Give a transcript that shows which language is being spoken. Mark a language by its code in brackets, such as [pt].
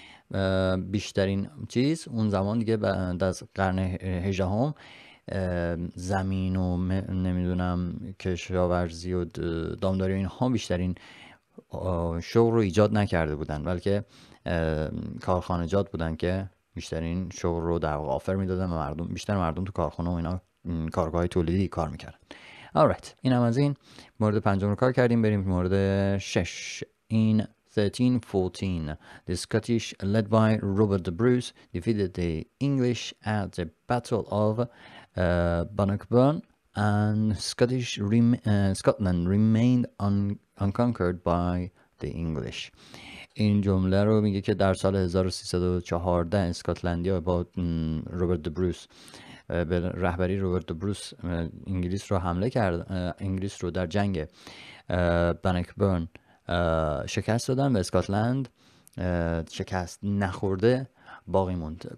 [fa] پس بیشترین چیز اون زمان دیگه بعد از قرن 18 هم زمین و نمیدونم کشاورزی و دامداری و اینها بیشترین شغل رو ایجاد نکرده بودن، بلکه کارخانجات بودن که بیشترین شغل رو در واقع آفر میدادن و مردم بیشتر مردم تو کارخانه و اینا کارگاه تولیدی کار میکردن. alright، این هم از این مورد پنجم رو کار کردیم، بریم مورد شش. [en] این 1314 the Scottish led by Robert the Bruce defeated the English at the Battle of Bannockburn and Scottish Scotland remained unconquered by the English. [fa] این جمله رو میگه که در سال 1314 اسکاتلندیا با روبرت دی بروس به رهبری روبرت دی بروس انگلیس رو حمله کرد، انگلیس رو در جنگ بنکبرن شکست دادن و اسکاتلند شکست نخورده باقی موند.